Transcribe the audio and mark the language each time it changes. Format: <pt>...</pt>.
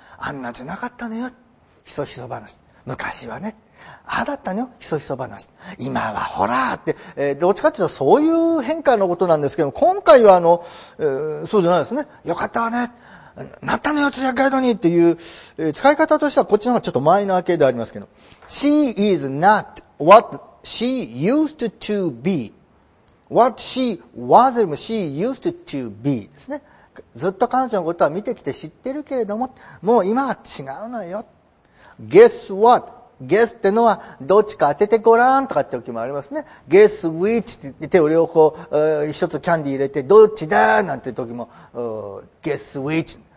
<ja>あんなじゃなかったのよ、ひそひそ話。昔はね、ああだったのよ、ひそひそ話。今はほらーって、どっちかというとそういう変化のことなんですけど、今回はそうじゃないですね。よかったわね、なったのよ、通訳ガイドにっていう、使い方としてはこっちの方がちょっとマイナー系でありますけど。</ja> <en>She is not what she used to be. What she was or she used to be</en> <ja>ですね。ずっと彼女のことは見てきて知ってるけれども、もう今は違うのよ。</ja> <en>Guess what?</en> <ja>Guess ってのはどっちか当ててごらんとかって時もありますね。</ja> <en>Guess which</en> <ja>って手を両方、一つキャンディー入れてどっちだなんて時も、Guess which?</ja>